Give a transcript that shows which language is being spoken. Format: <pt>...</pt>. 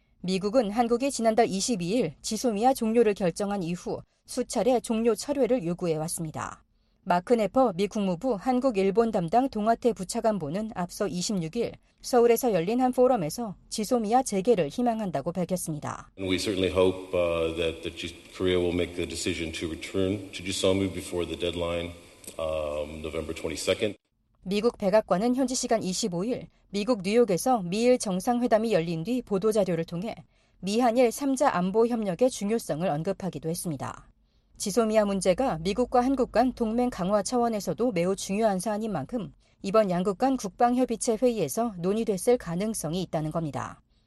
<ko>미국은 한국이 지난달 22일 지소미아 종료를 결정한 이후 수차례 종료 철회를 요구해왔습니다. 마크 네퍼 미 국무부 한국-일본 담당 동아태 부차관보는 앞서 26일 서울에서 열린 한 포럼에서 지소미아 재개를 희망한다고 밝혔습니다.</ko> <en>We certainly hope that Korea will make the decision to return to GSOMU before the deadline November 22nd.</en> <ko>미국 백악관은 현지 시간 25일 미국 뉴욕에서 미일 정상회담이 열린 뒤 보도자료를 통해 미한일 3자 안보 협력의 중요성을 언급하기도 했습니다. 지소미아 문제가 미국과 한국 간 동맹 강화 차원에서도 매우 중요한 사안인 만큼 이번 양국 간 국방협의체 회의에서 논의됐을 가능성이 있다는 겁니다.</ko>